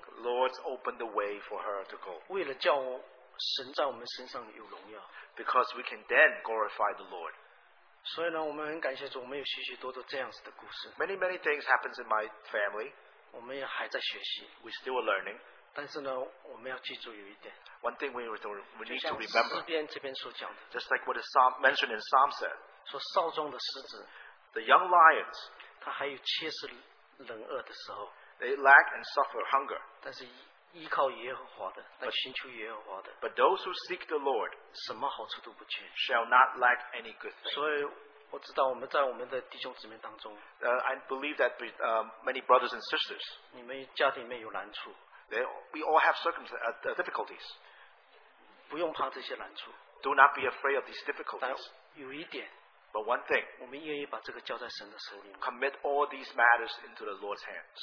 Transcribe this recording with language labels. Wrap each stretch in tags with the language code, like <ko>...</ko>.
<en>the Lord opened the way for her to go.</en> <zh>为了叫神在我们身上有荣耀,</zh> <en>because we can then glorify the Lord.</en> <zh>所以呢, 我们很感谢主, 我们有许许多多这样子的故事,</zh> <en>many, many things happens in my family.</en> <zh>我们也还在学习,</zh> <en>we still are learning.</en> <zh>但是呢, 我们要记住有一点,</zh> <en>one thing we need to remember,</en> <zh>诗篇这边所讲的,</zh> <en>just like what is mentioned in Psalm said,</en> <zh>说少壮的狮子,</zh> <en>the young lions,</en> <zh>它还有切实冷饿的时候,</zh> <en>they lack and suffer hunger.</en> <zh>但是依靠耶和华的, 来寻求耶和华的,</zh> <en>but those who seek the Lord</en> <zh>什么好处都不缺,</zh> <en>shall not lack any good thing.</en> <zh>所以我知道我们在我们的弟兄姊妹当中,</zh> <en>I believe that many brothers and sisters,</en> <zh>你们家庭里面有难处,</zh> <en>we all have difficulties.</en> <zh>不用怕这些难处,</zh> <en>do not be afraid of these difficulties.</en> <zh>但有一点,</zh> <en>but one thing,</en> <zh>我们愿意把这个交在神的手里,</zh> <en>commit all these matters into the Lord's hand.</en>